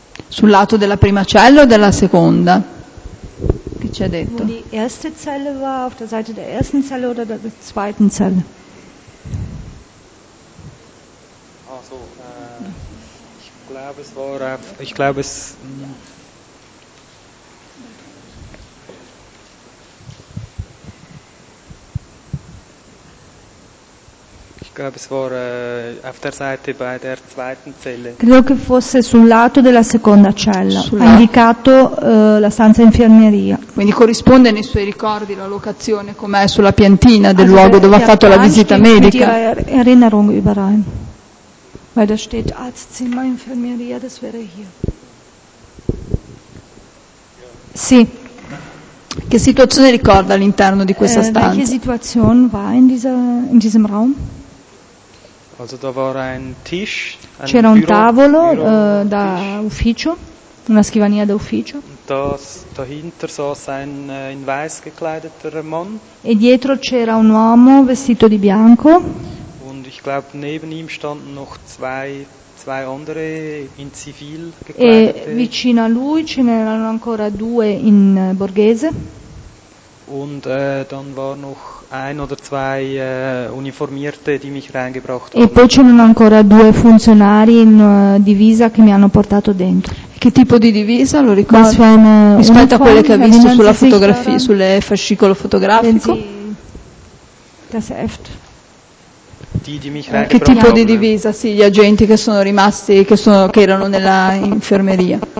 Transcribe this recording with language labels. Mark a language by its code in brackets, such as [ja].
[it] sul lato della prima cella o della seconda? Che ci ha detto? [de] Wo die erste Zelle war, auf der Seite der ersten Zelle oder der zweiten Zelle? Also, ich glaube, es war auf, ich glaube, es [it] credo che fosse sul lato della seconda cella, ha indicato la stanza infermeria. Quindi corrisponde nei suoi ricordi la locazione com'è sulla piantina del luogo dove ha fatto la visita medica. [de] Erinnerung überein. Weil da steht Arztzimmer, Infermeria, das wäre hier. [it] Sì. Che situazione ricorda all'interno di questa stanza? [de] Welche Situation war in diesem Raum? Also da war ein Tisch, ein [it] c'era un tavolo da ufficio, una scrivania da ufficio. [de] Dahinter saß ein in weiß gekleideter Mann. [it] E dietro c'era un uomo vestito di bianco. [de] Und ich glaube neben ihm standen noch zwei andere in zivil gekleidete. [it] E vicino a lui ce n'erano ancora due in borghese. [de] Und dann war noch ein oder zwei uniformierte, die mich reingebracht haben. [it] E poi c'erano ancora due funzionari in divisa che mi hanno portato dentro. Che tipo di divisa, lo ricordo? Rispetto a quelle che ha visto sulla fotografia, sul fascicolo fotografico. [de] Das Heft. Die mich reingebracht haben. [it] Che tipo di divisa, sì, gli agenti che sono rimasti, che erano nella infermeria.